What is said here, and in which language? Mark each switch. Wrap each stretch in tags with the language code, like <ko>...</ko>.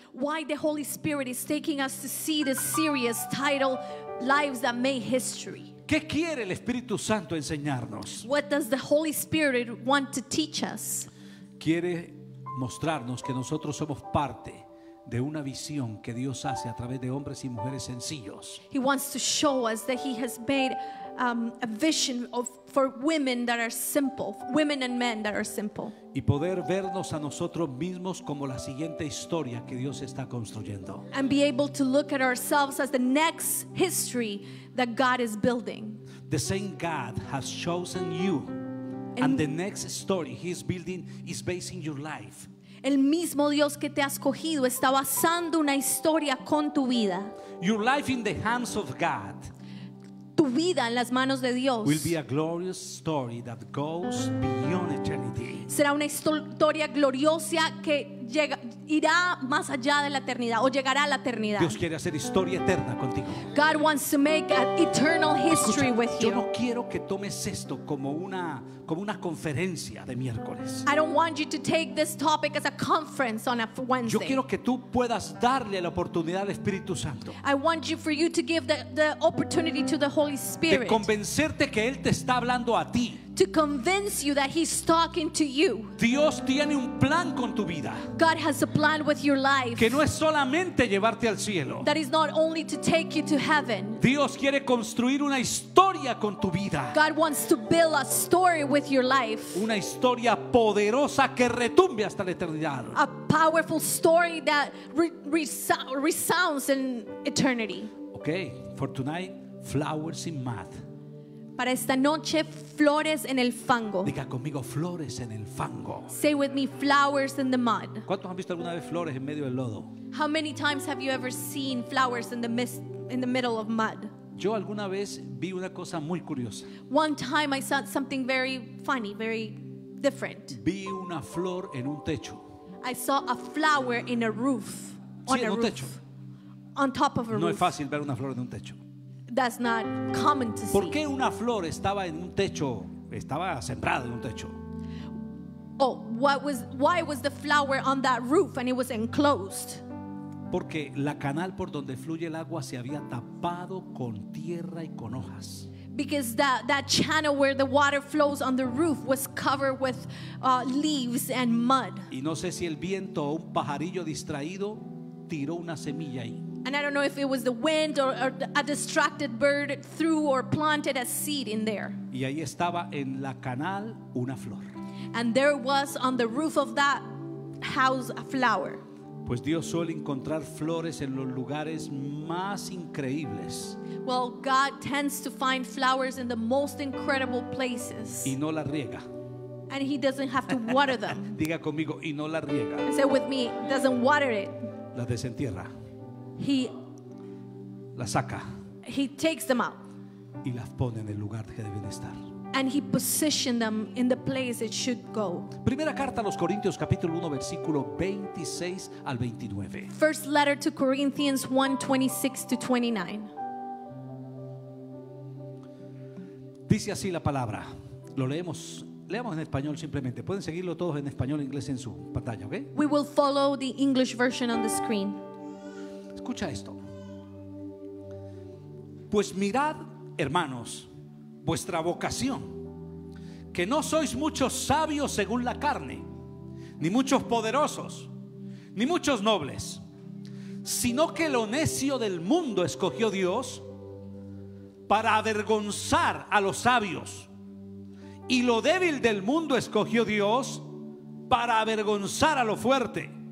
<en>Why the Holy Spirit is taking us to see the series titled Lives That Made History.</en> <es>¿Qué quiere el Espíritu Santo enseñarnos?</es> <en>What does the Holy Spirit want to teach us?</en> <es>Quiere mostrarnos que nosotros somos parte de una visión que Dios hace a través de hombres y mujeres sencillos.</es> <en>He wants to show us that he has made a vision of for women that are simple, women and men that are simple.</en> <es>Y poder vernos a nosotros mismos como la siguiente historia que Dios está construyendo.</es> <en>And be able to look at ourselves as the next history that God is building. The same God has chosen you, and the next story he is building is based in your life.</en> <es>El mismo Dios que te ha escogido está basando una historia con tu vida.</es> <en>Your life in the hands of God.</en> <es>Tu vida en las manos de Dios.</es> <en>Will be a glorious story that goes beyond eternity.</en> <es>Será una historia gloriosa que llega, irá más allá de la eternidad o llegará a la eternidad. Dios quiere hacer historia eterna contigo.</es> <en>God wants to make an eternal history.</en> <es>Escucha,</es> <en>with</en> <es>yo Yo no quiero que tomes esto como una conferencia de miércoles.</es> <en>I don't want you to take this topic as a conference on a Wednesday.</en> <es>Yo quiero que tú puedas darle la oportunidad al Espíritu Santo.</es> <en>I want you for you to give the opportunity to the Holy Spirit.</en> <es>De convencerte que él te está hablando a ti.</es> <en>To convince you that he's talking to you.</en> <es>Dios tiene un plan con tu vida.</es> <en>God has a plan with your life.</en> <es>Que no es solamente llevarte al cielo.</es> <en>That is not only to take you to heaven.</en> <es>Dios quiere construir una historia con tu vida.</es> <en>God wants to build a story with your life.</en> <es>Una historia poderosa que retumbe hasta la eternidad.</es> <en>A powerful story that resounds in eternity. Okay, for tonight, flowers in mud.</en> <es>Para esta noche, flores en el fango. Diga conmigo, flores en el fango.</es> <en>Say with me, flowers in the mud.</en> <es>¿Cuántos han visto alguna vez flores en medio del lodo?</es> <en>How many times have you ever seen flowers in the mist, in the middle of mud?</en> <es>Yo alguna vez vi una cosa muy curiosa.</es> <en>One time I saw something very funny, very different.</en> <es>Vi una flor en un techo.</es> <en>I saw a flower in a roof.</en> <es>Sí, en un techo.</es> <en>On top of a roof.</en> <es>No es fácil ver una flor en un techo.</es> <en>That's not common to see.</en> <es>¿Por qué una flor estaba en un techo? Estaba sembrada en un techo.</es> <en>Oh, why was the flower on that roof and it was enclosed?</en> <es>Porque la canal por donde fluye el agua se había tapado con tierra y con hojas.</es> <en>Because that channel where the water flows on the roof was covered with leaves and mud.</en> <es>Y no sé si el viento o un pajarillo distraído tiró una semilla ahí.</es> <en>And I don't know if it was the wind or a distracted bird threw or planted a seed in there.</en> <es>Y ahí estaba en la canal una flor.</es> <en>And there was on the roof of that house a flower.</en> <es>Pues Dios suele encontrar flores en los lugares más increíbles.</es> <en>Well, God tends to find flowers in the most incredible places.</en> <es>Y no la riega.</es> <en>And he doesn't have to water them.</en> <es>Diga conmigo, y no la riega.</es> <en>Say with me, doesn't water it.</en> <es>La desentierra.</es> <en>He</en> <es>la saca.</es> <en>He takes them out.</en> <es>Y las pone en el lugar que deben estar.</es> <en>And he positioned them in the place it should go.</en> <es>Primera carta a los Corintios capítulo 1 versículo 26 al 29.</es> <en>First letter to Corinthians 1:26-29.</en> <es>Dice así la palabra. Lo leemos. Leamos en español simplemente. Pueden seguirlo todos en español e inglés en su pantalla, ¿okay?</es> <en>We will follow the English version on the screen.</en> <es>Escucha esto. Pues mirad, hermanos, vuestra vocación, que no sois muchos sabios según la carne, ni muchos poderosos, ni muchos nobles, sino que lo necio del mundo escogió Dios para avergonzar a los sabios, y lo débil del mundo escogió Dios para avergonzar a lo fuerte.</es>